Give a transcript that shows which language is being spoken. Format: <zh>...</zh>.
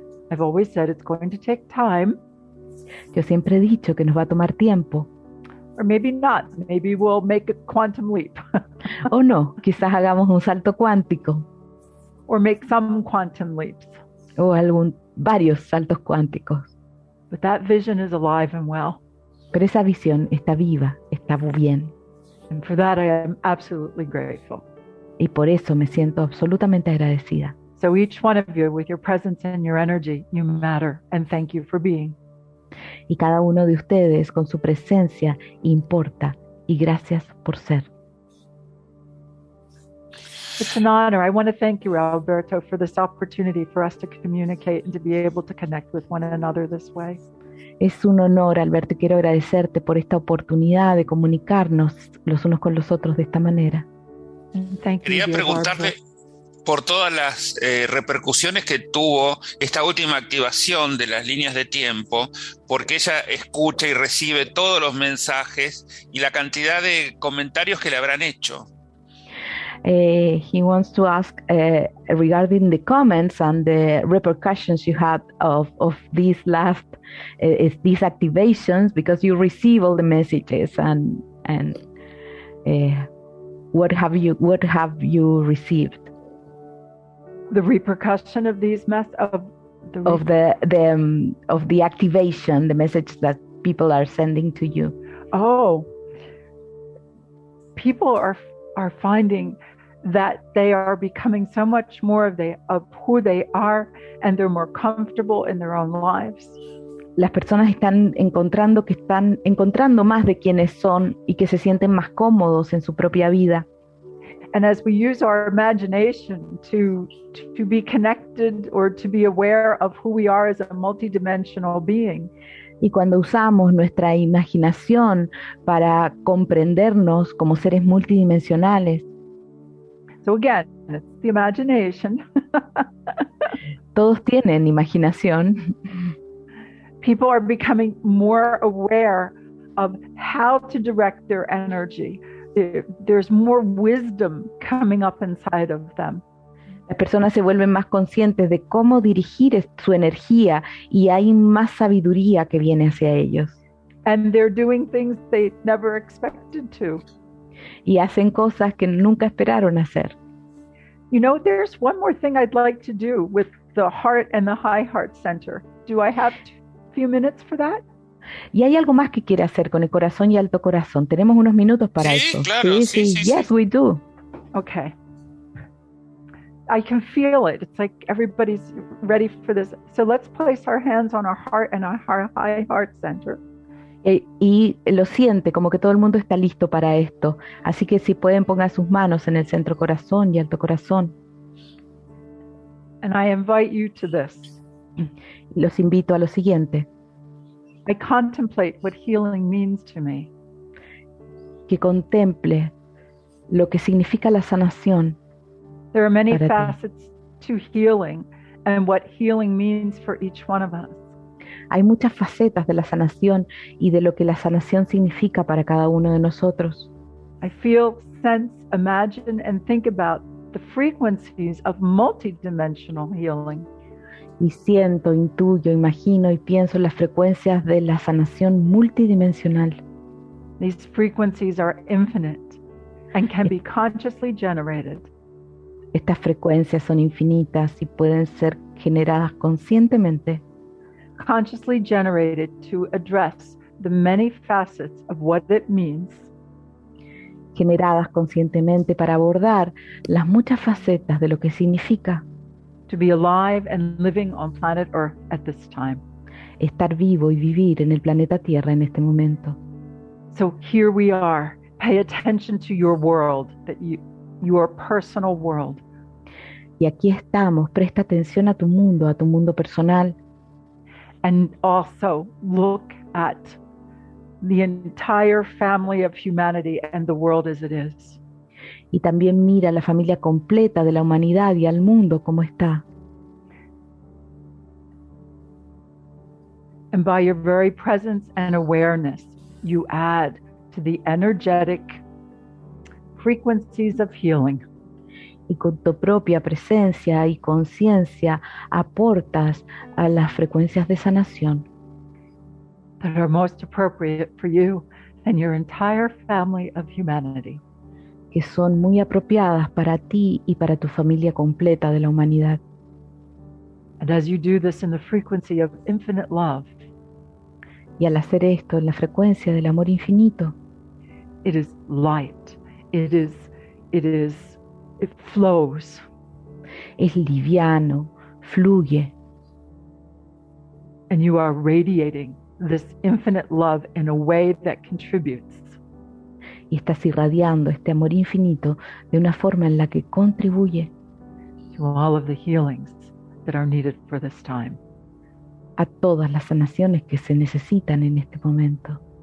<en>I've always said it's going to take time.</en> <es>Yo siempre he dicho que nos va a tomar tiempo.</es> <en>Or maybe not. Maybe we'll make a quantum leap.</en> <es>O no, quizás hagamos un salto cuántico.</es> <en>Or make some quantum leaps.</en> <es>o algún varios saltos cuánticos.</es> <en>But that vision is alive and well.</en> <es>Pero esa visión está viva, está bien.</es> <en>And for that I am absolutely grateful.</en> <es>Y por eso me siento absolutamente agradecida.</es> <en>So each one of you, with your presence and your energy, you matter, and thank you for being.</en> <es>Y cada uno de ustedes con su presencia importa, y gracias por ser.</es> <en>It's an honor. I want to thank you, Alberto, for this opportunity for us to communicate and to be able to connect with one another this way.</en> <es>Es un honor, Alberto, y quiero agradecerte por esta oportunidad de comunicarnos los unos con los otros de esta manera.</es> <en>Thank</en> <es>Quería</es> <en>you,</en> <es>preguntarte</es> <en>Barbara.</en> <es>Por todas las repercusiones que tuvo esta última activación de las líneas de tiempo, porque ella escucha y recibe todos los mensajes y la cantidad de comentarios que le habrán hecho.</es> <en>He wants to ask regarding the comments and the repercussions you had of these last these activations, because you receive all the messages and what have you received? The repercussion of these of the activation, the message that people are sending to you. Oh, people are finding that they are becoming so much more of who they are, and they're more comfortable in their own lives.</en> <es>Las personas están encontrando más de quienes son y que se sienten más cómodos en su propia vida.</es> <en>And as we use our imagination to be connected or to be aware of who we are as a multidimensional being.</en> <es>Y cuando usamos nuestra imaginación para comprendernos como seres multidimensionales.</es> <en>So again, it's the imagination.</en> <es>Todos tienen imaginación.</es> <en>People are becoming more aware of how to direct their energy. There's more wisdom coming up inside of them.</en> <es>Las personas se vuelven más conscientes de cómo dirigir su energía y hay más sabiduría que viene hacia ellos.</es> <en>And they're doing things they never expected to.</en> <es>Y hacen cosas que nunca esperaron hacer.</es> <en>You know, there's one more thing I'd like to do with the heart and the high heart center. Do I have a few minutes for that?</en> <es>Y hay algo más que quiere hacer con el corazón y alto corazón. Tenemos unos minutos para sí, eso. Claro, sí.</es> <en>Yes,</en> <es>sí.</es> <en>We do. Okay. I can feel it. It's like everybody's ready for this. So let's place our hands on our heart and our high heart center.</en> <es>Y lo siente como que todo el mundo está listo para esto, así que si pueden pongan sus manos en el centro corazón y alto corazón.</es> <en>And I invite you to this.</en> <es>Los invito a lo siguiente.</es> <en>I contemplate what healing means to me.</en> <es>Que contemple lo que significa la sanación.</es> <en>There are many facets to healing and what healing means for each one of us.</en> <es>Hay muchas facetas de la sanación y de lo que la sanación significa para cada uno de nosotros.</es> <en>I feel, sense, imagine, and think about the frequencies of multidimensional healing.</en> <es>Y siento, intuyo, imagino y pienso las frecuencias de la sanación multidimensional.</es> <en>These frequencies are infinite and can be consciously generated.</en> <es>Estas frecuencias son infinitas y pueden ser generadas conscientemente.</es> <en>Consciously generated to address the many facets of what it means.</en> <es>Generadas conscientemente para abordar las muchas facetas de lo que significa.</es> <en>To be alive and living on planet Earth at this time.</en> <es>Estar vivo y vivir en el planeta Tierra en este momento.</es> <en>So here we are. Pay attention to your world, that your personal world.</en> <es>Y aquí estamos. Presta atención a tu mundo personal.</es> <en>And also look at the entire family of humanity and the world as it is.</en> <es>Y también mira la familia completa de la humanidad y al mundo como está.</es> <en>And by your very presence and awareness, you add to the energetic frequencies of healing.</en> <es>Y con tu propia presencia y conciencia aportas a las frecuencias de sanación.</es> <en>That are most appropriate for you and your entire family of humanity.</en> <es>Que son muy apropiadas para ti y para tu familia completa de la humanidad.</es> <en>And as you do this in the frequency of infinite love,</en> <es>y al hacer esto en la frecuencia del amor infinito,</es> <en>it is light. It flows.</en> <es>Es liviano, fluye.</es> <en>And you are radiating this infinite love in a way that contributes.</en> <es>Y estás irradiando este amor infinito de una forma en la que contribuye</es> <en>to all of the healings that are needed for this time.</en> <es>A todas las sanaciones que se necesitan en este momento.</es>